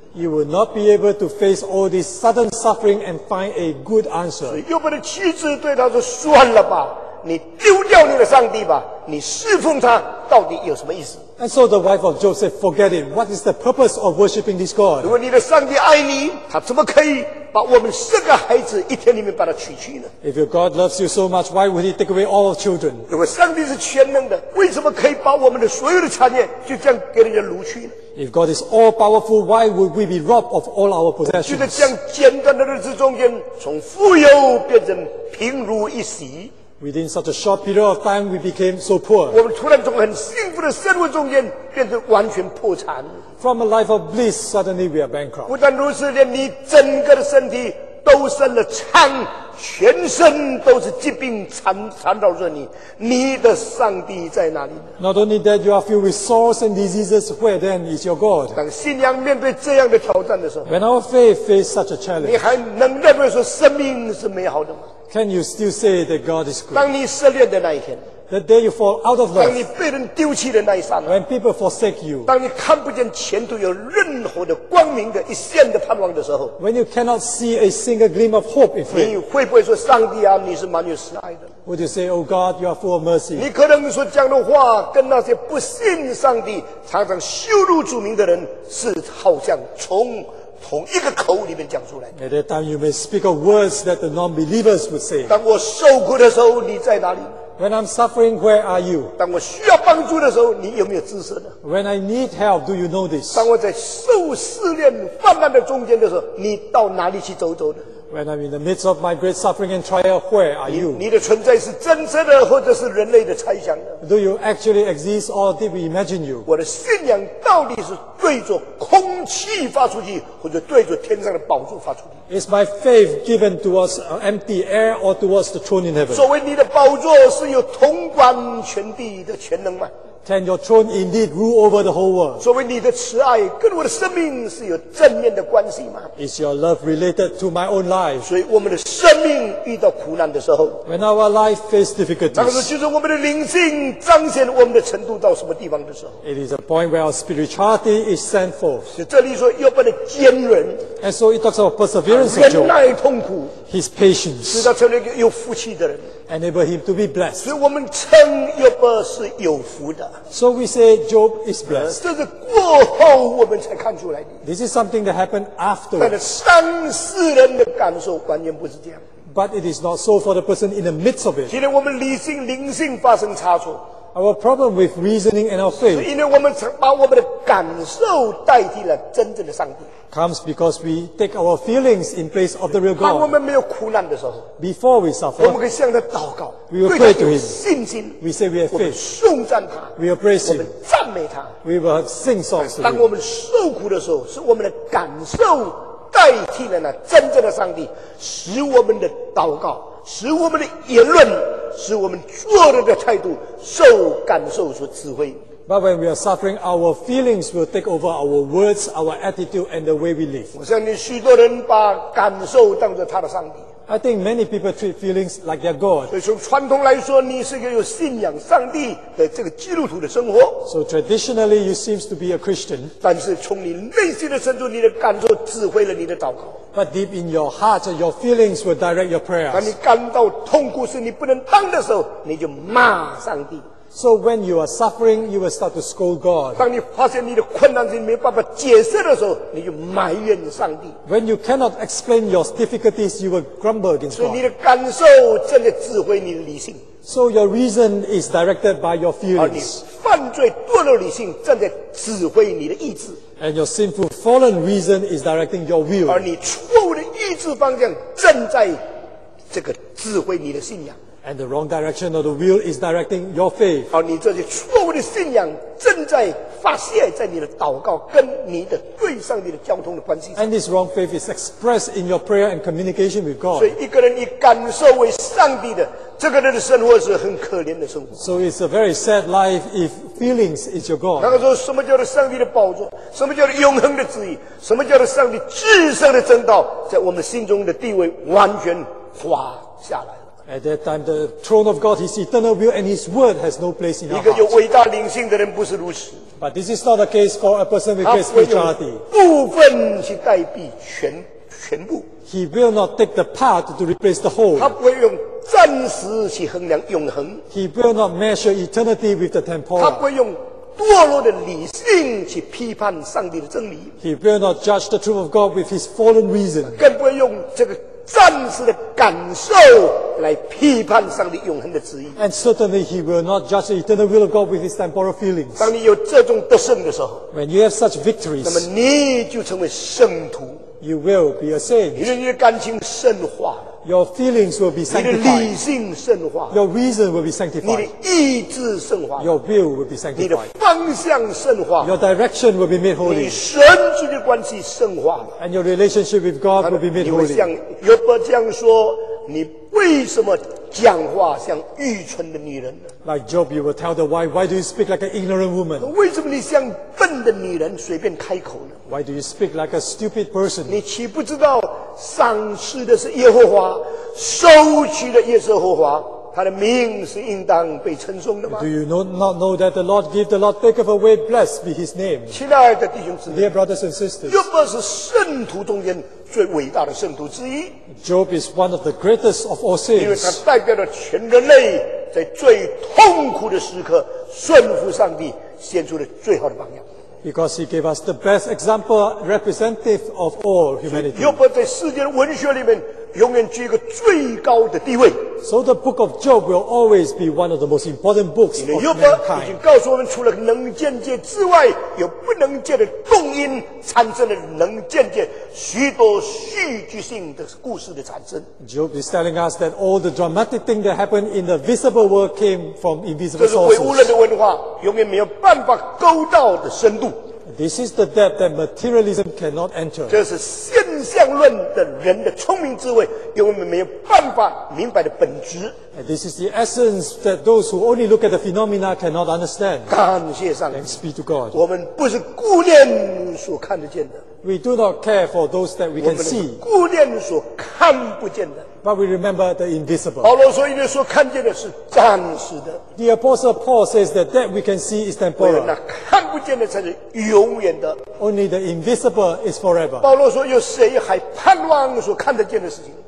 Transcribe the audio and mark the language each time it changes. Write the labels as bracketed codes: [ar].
[en] You will not be able to face all this sudden suffering and find a good answer. [zh] 所以约伯的妻子对他说：“算了吧。” 你丢掉你的上帝吧，你侍奉他到底有什么意思？ [en] And so the wife of Job said, forget it. What is the purpose of worshipping this God? [zh] 如果你的上帝爱你，他怎么可以把我们十个孩子一天里面把他取去呢？ [en] If your God loves you so much, why would he take away all of children? [zh] 如果上帝是全能的，为什么可以把我们的所有的产业就这样给人家掳去呢？ [en] If God is all powerful, why would we be robbed of all our possessions? [zh] 就在这样简单的日子中间，从富有变成贫如一洗。 [en] Within such a short period of time, we became so poor. [zh] 我们突然从很幸福的生活中间变成完全破产。 [en] From a life of bliss, suddenly we are bankrupt. [zh] 不但如此，连你整个的身体都生了疮，全身都是疾病缠绕着你。你的上帝在哪里？ [en] Not only that, you are filled with sores and diseases. Where then is your God? [zh] 当信仰面对这样的挑战的时候， [en] When our faith faces such a challenge, [zh] 你还能认为说生命是美好的吗？ [en] Can you still say that God is good? [zh] 当你失恋的那一天， [en] the day you fall out of love， [zh] 当你被人丢弃的那一刹那， [en] when people forsake you， [zh] 当你看不见前途有任何的光明的一线的盼望的时候， [en] when you cannot see a single gleam of hope in faith， [zh] 你会不会说上帝啊，你是蛮有慈爱的？ [en] Would you say, Oh God, you are full of mercy？ [zh] 你可能说这样的话，跟那些不信上帝、常常羞辱主名的人是好像从一个口里面讲出来。 [en] At that time you may speak of words that the non-believers would say. [zh] 当我受苦的时候你在哪里？ [en] When I'm suffering, where are you? [zh] 当我需要帮助的时候你有没有知识呢？ [en] When I need help, do you know this? [zh] 当我在受试炼患难的中间的时候你到哪里去走走呢？ [en] When I'm in the midst of my great suffering and trial, where are you? [zh] 你的存在是真实的或者是人类的猜想呢？ [en] Do you actually exist or did we imagine you? [zh] 我的信仰到底是对着空气发出去，或者对着天上的宝座发出去？ [en] Is my faith given towards empty air or towards the throne in heaven? [zh] 所谓你的宝座是有统管全地的全能吗？ [en] Can your throne indeed rule over the whole world? [zh] 所谓你的慈爱跟我的生命是有正面的关系吗？ [en] Is your love related to my own life? [zh] 所以我们的生命遇到苦难的时候， [en] When our life faces difficulties, [zh] 那个时候就是我们的灵性彰显我们的程度到什么地方的时候， [en] It is a point where our spirituality is sent forth. [zh] 这里说约伯的坚韧， [en] And so it talks about perseverance, [zh] 忍耐痛苦， [en] His patience, [zh] 使他成为一个有福气的人， [en] Enable him to be blessed. [zh] 所以我们称约伯是有福的。 [en] So we say Job is blessed. [zh] 这是过后我们才看出来的。 [en] This is something that happened afterwards. [zh] 但是当事人的感受完全不是这样。 [en] But it is not so for the person in the midst of it. [zh] 今天我们理性、灵性发生差错。 [en] Our problem with reasoning and our faith. [zh] 是因为我们把我们的感受代替了真正的上帝。 [en] Comes because we take our feelings in place of the real God. [zh] 当我们没有苦难的时候， [en] before we suffer, [zh] 我们可以向他祷告， [en] we will pray to him. [zh] 信心， [en] we say we have faith. [zh] 我们颂赞他， [en] we will praise him. [zh] 我们赞美他， [en] we will sing songs. [zh] 当我们受苦的时候，是我们的感受代替了那真正的上帝，使我们的祷告，使我们的言论，使我们做人的态度受感受所指挥。 [en] But when we are suffering, our feelings will take over our words, our attitude, and the way we live. [zh] 我相信许多人把感受当作他的上帝。 [en] I think many people treat feelings like their God. [zh] 所以从传统来说，你是一个有信仰上帝的这个基督徒的生活。 [en] So traditionally, you seems to be a Christian. [zh] 但是从你内心的深处，你的感受指挥了你的祷告。 [en] But deep in your heart, your feelings will direct your prayers. [zh] 当你感到痛苦时，你不能当的时候，你就骂上帝。 [en] So when you are suffering, you will start to scold God. [zh] 当你发现你的困难是没办法解释的时候，你就埋怨上帝。 [en] When you cannot explain your difficulties, you will grumble against God. [zh] 所以你的感受正在指挥你的理性。 [en] So your reason is directed by your feelings. [zh] 而你犯罪堕落理性正在指挥你的意志。 [en] And your sinful fallen reason is directing your will. [zh] 而你错误的意志方向正在这个指挥你的信仰。 [en] And the wrong direction of the will is directing your faith. [zh] 好，你这些错误的信仰正在发泄在你的祷告跟你的对上帝的交通的关系。 [en] And this wrong faith is expressed in your prayer and communication with God. [zh] 所以一个人以感受为上帝的，这个人的生活是很可怜的生活。 [en] So it's a very sad life if feelings is your God. [zh] 那个时候，什么叫做上帝的宝座？什么叫做永恒的旨意？什么叫做上帝至上的正道？在我们心中的地位完全滑下来。 [en] At that time, the throne of God, His eternal will and His word has no place in our hearts. But this is not the case for a person with great spirituality. [zh] 部分去代替全全部。 [en] He will not take the part to replace the whole. [zh] 他不会用暂时去衡量永恒。 [en] He will not measure eternity with the temporal. [zh] 他不会用堕落的理性去批判上帝的真理。 [en] He will not judge the truth of God with his fallen reason. [zh] 更不会用这个暂时的感受来批判上帝永恒的旨意。 [en] And certainly he will not judge the eternal will of God with his temporal feelings. [zh] 当你有这种得胜的时候， [en] When you have such victories, [zh] 那么你就成为圣徒。 [en] You will be a saint. [zh] 因为你的感情圣化。 [en] Your feelings will be sanctified. [zh] 你的理性圣化。 [en] Your reason will be sanctified. [zh] 你的意志圣化。 [en] Your will will be sanctified. [zh] 你的方向圣化。 [en] Your direction will be made holy. [zh] 你神之间的关系圣化。 [en] And your relationship with God will be made holy. [zh] 你会像约伯这样说，你为什么讲话像愚蠢的女人呢？ [en] Like Job, you will tell the wife, why do you speak like an ignorant woman? [zh] 为什么你像笨的女人随便开口呢？ [en] Why do you speak like a stupid person? [zh] 你岂不知道赏赐的是耶和华，收取的也是耶和华，他的名是应当被称颂的吗？ [en] Do you not know that the Lord give, the Lord take away, blessed be his name? [zh] 亲爱的弟兄姊妹， [en] Dear brothers and sisters, [zh] 约伯是圣徒中间最伟大的圣徒之一。 [en] Job is one of the greatest of all saints. [zh] 因为他代表了全人类在最痛苦的时刻顺服上帝，献出了最好的榜样。 [en] Because he gave us the best example representative of all humanity. [zh] 约伯在世界的文学里面永远具一个最高的地位。 [en] So the book of Job will always be one of the most important books of mankind. [zh] 已经告诉我们，除了能见界之外，有不能见的动因产生了能见界许多戏剧性的故事的产生。 [en] Job is telling us that all the dramatic things that happened in the visible world came from invisible sources. [zh] 这是唯物论的文化永远没有办法勾到的深度。 [en] This is the depth that materialism cannot enter. [zh] 这是现象论的人的聪明智慧，因为没有办法明白的本质。 [en] And this is the essence that those who only look at the phenomena cannot understand. [zh] 感谢上帝。 [en] Thanks be to God. [zh] 我们不是顾念所看得见的。 [en] We do not care for those that we can see. [zh] 我们顾念所看不见的。 [en] But we remember the invisible. [zh] 保罗说，因为所看见的是暂时的。 [en] The apostle Paul says that that we can see is temporal. [zh] 那看不见的才是永远的。 [en] Only the invisible is forever. [zh] 保罗说，有谁还盼望所看得见的事情？